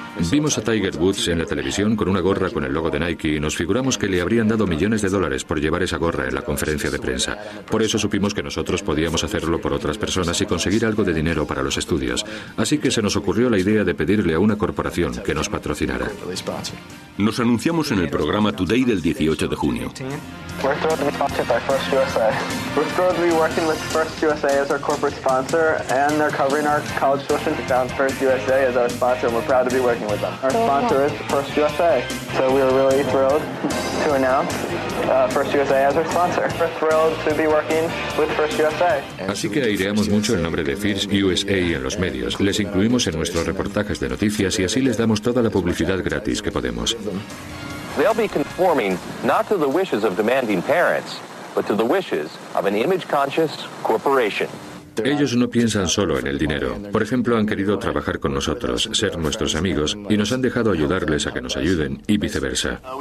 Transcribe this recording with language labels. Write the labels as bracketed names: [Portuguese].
[Spanish] Vimos a Tiger Woods en la televisión con una gorra con el logo de Nike y nos figuramos que le habrían dado millones de dólares por llevar esa gorra en la conferencia de prensa. Por eso supimos que nosotros podíamos hacerlo por otras personas y conseguir algo de dinero para los estudios. Así que se nos ocurrió la idea de pedirle a una corporación que nos patrocinara. Nos anunciamos en el programa Today del 18 de junio. [English] We're thrilled to be sponsored by First USA. We're thrilled to be working with First USA as our corporate sponsor, and they're covering our college tuition. We found First USA as our sponsor, and we're proud to be working. working with them. Our sponsor is First USA. So we are really thrilled to announce First USA as our sponsor. We're thrilled to be working with First USA. [Spanish] Así que aireamos mucho el nombre de First USA en los medios. Les incluimos en nuestros reportajes de noticias y así les damos toda la publicidad gratis que podemos. [English] They'll be conforming not to the wishes of demanding parents, but to the wishes of an image-conscious corporation. [Spanish] Ellos no piensan solo en el dinero. Por ejemplo, han querido trabajar con nosotros, ser nuestros amigos, y nos han dejado ayudarles a que nos ayuden, y viceversa.